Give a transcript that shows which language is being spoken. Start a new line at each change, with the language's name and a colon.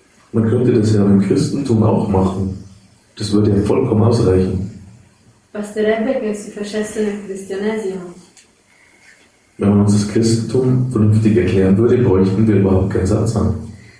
German: Man könnte das ja im Christentum auch machen. Das würde ja vollkommen ausreichen.
Italian: Basterebbe che si facesse nel cristianesimo.
German: Wenn man uns das Christentum vernünftig erklären würde, bräuchten wir überhaupt keinen Satz haben.